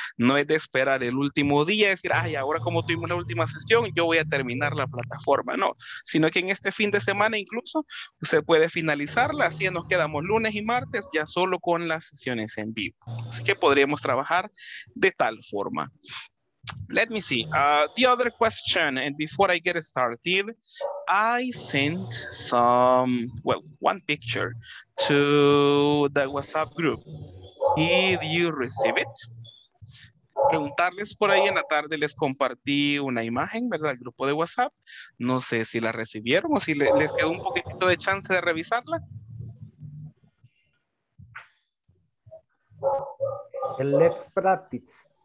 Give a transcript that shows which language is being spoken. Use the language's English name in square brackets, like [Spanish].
[Spanish] No es de esperar el último día y decir, ay, ahora como tuvimos la última sesión, yo voy a terminar la plataforma. No, sino que en este fin de semana incluso usted puede finalizarla, así nos quedamos lunes y martes ya solo con las sesiones en vivo. Así que podríamos trabajar de tal forma. [English] Let me see. The other question, and before I get started, I sent one picture to the WhatsApp group. Did you receive it? [Spanish] Preguntarles por ahí en la tarde, les compartí una imagen, ¿verdad? El grupo de WhatsApp. No sé si la recibieron o si les quedó un poquitito de chance de revisarla. [English] Let's practice.